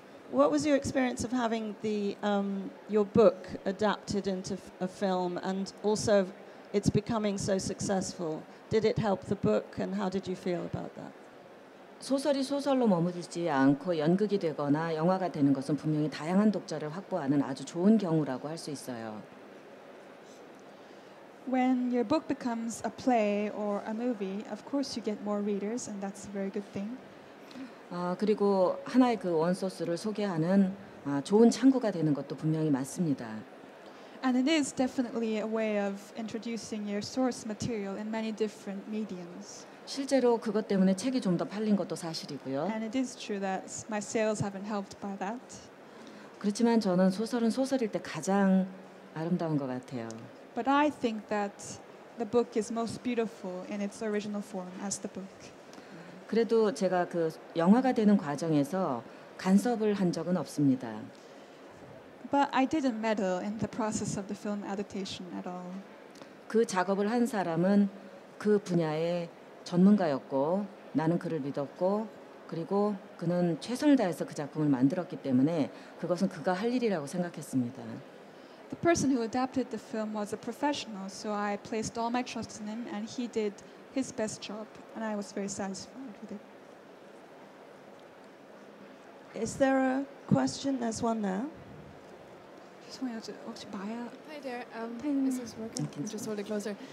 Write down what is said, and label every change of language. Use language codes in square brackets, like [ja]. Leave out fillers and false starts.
[en] What was your experience of having the your book adapted into a film, and also it's becoming so successful? Did it help the book, and how did you feel about that? [ko] 소설이 소설로 머무들지 않고 연극이 되거나 영화가 되는 것은 분명히 다양한 독자를 확보하는 아주 좋은 경우라고 할 수 있어요. [en] When your book becomes a play or a movie, of course you get more readers, and that's a very good thing. [ko] 그리고 하나의 그 원소스를 소개하는 좋은 창구가 되는 것도 분명히 맞습니다. [en] And it is definitely a way of introducing your source material in many different mediums. [ko] 실제로 그것 때문에 책이 좀 더 팔린 것도 사실이고요. [en] And it is true that my sales haven't helped by that. [ko] 그렇지만 저는 소설은 소설일 때 가장 아름다운 것 같아요. [en] But I think that the book is most beautiful in its original form as the book. [ko] 그래도 제가 그 영화가 되는 과정에서 간섭을 한 적은 없습니다. [en] But I didn't meddle in the process of the film adaptation at all. [ko] 그 작업을 한 사람은 그 분야의 전문가였고 나는 그를 믿었고 그리고 그는 최선을 다해서 그 작품을 만들었기 때문에 그것은 그가 할 일이라고 생각했습니다. [en] The person who adapted the film was a professional, so I placed all my trust in him, and he did his best job, and I was very satisfied with it. Is there a question? There's one there. Hi there. Is this working? Just hold it closer.